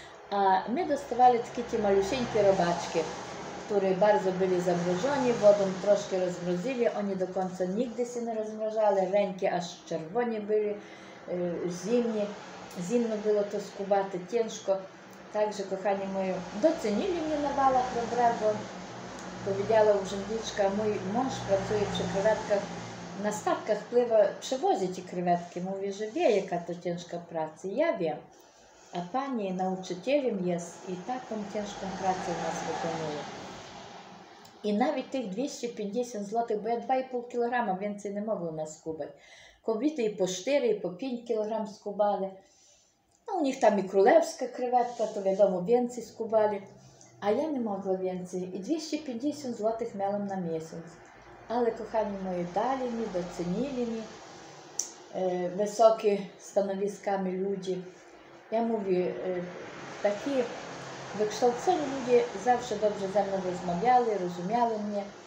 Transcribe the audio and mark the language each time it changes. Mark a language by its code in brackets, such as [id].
[uk] А ми доставали такі ті малюсенькі робачки, які дуже були заморожені, водом трошки розморозили, вони до кінця нігде си не розморожали, реньки аж червоні були, зимні, зимно було то скубати, тяжко. Також, кохані мої, доцінили мені на валах добре, бо [pl] powiedziała urzędniczka, mój mąż pracuje przy krewetkach, na statkach pływa, przewozi ci krewetki. Mówię, że wie, jaka to ciężka praca. Ja wiem. A pani nauczycielem jest i taką ciężką pracę u nas wykonuje. I nawet tych 250 zł, bo ja 2,5 kg więcej nie mogłam nas skubać. Kobiety i po 4, i po 5 kg skubali. No u nich tam i królewska krewetka, to wiadomo, więcej skubali. [uk] А я не могла більше, і 250 злотих мала на місяць. Але, кохані мої, далі мені, доцінили мені високі становісками люди. Я мовлю, такі викшталцені люди завжди добре за мене розмовляли, розуміли мене.